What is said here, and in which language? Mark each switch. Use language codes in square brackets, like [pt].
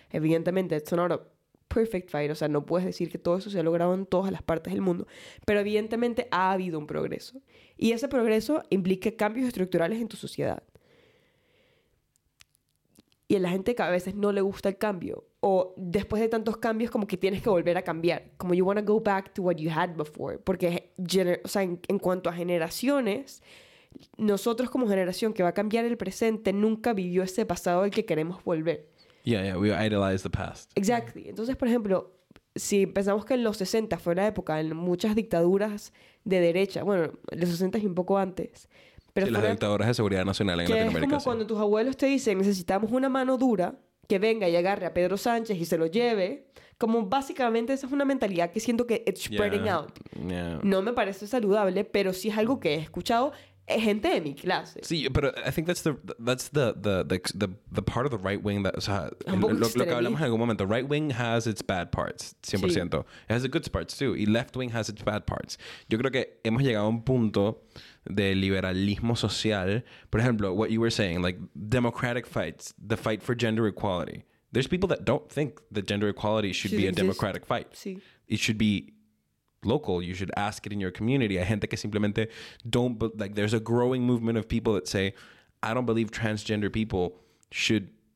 [es] Evidentemente, [en] it's not a perfect fight. [es] O sea, no puedes decir que todo eso se ha logrado en todas las partes del mundo. Pero evidentemente ha habido un progreso. Y ese progreso implica cambios estructurales en tu sociedad. Y a la gente que a veces no le gusta el cambio... O después de tantos cambios, como que tienes que volver a cambiar. Como [en] you want to go back to what you had before. [es] Porque, en cuanto a generaciones, nosotros como generación que va a cambiar el presente, nunca vivió ese pasado al que queremos volver. [en] Yeah, we idolize the past. Exactly. [es] Entonces, por ejemplo, si pensamos que en los 60 fue la época en muchas dictaduras de derecha, bueno, los 60 y un poco antes, Pero sí, las dictaduras de seguridad nacional en Latinoamérica. Es como cuando tus abuelos te dicen, necesitamos una mano dura que venga y agarre a Pedro Sánchez y se lo lleve. Como básicamente esa es una mentalidad que siento que [en] it's spreading out. [es] No me parece saludable, pero sí es algo que he escuchado gente de mi clase. Sí, pero [en] I think that's the part of the right wing that, [es] o sea, lo que hablamos en algún momento. [en] Right wing has its bad parts, 100%. [es] Sí. [en] It has the good parts too. [es] Y [en] left wing has its bad parts. [es] Yo creo que hemos llegado a un punto de liberalismo social. Por ejemplo, [en] what you were saying, like democratic fights, the fight for gender equality. There's people that don't think that gender equality should be a democratic fight. [es] Sí. [en] It should be local. You should ask it in your community. [es] Hay gente que simplemente [en] don't... Like, there's a growing movement of people that say, I don't believe transgender people should...